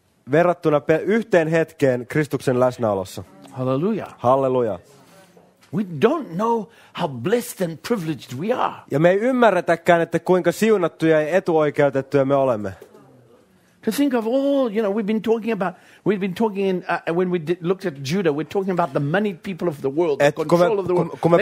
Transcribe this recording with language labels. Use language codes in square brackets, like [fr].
[fi] Verrattuna yhteen hetkeen Kristuksen läsnäolossa. Hallelujah. Hallelujah. [en] We don't know how blessed and privileged we are. [fi] Ja me ei ymmärretäkään, että kuinka siunattuja ja etuoikeutettuja me olemme. [en] To think of all, you know, we've been talking when we looked at Judah, we're talking about the moneyed people of the world, the control of the world.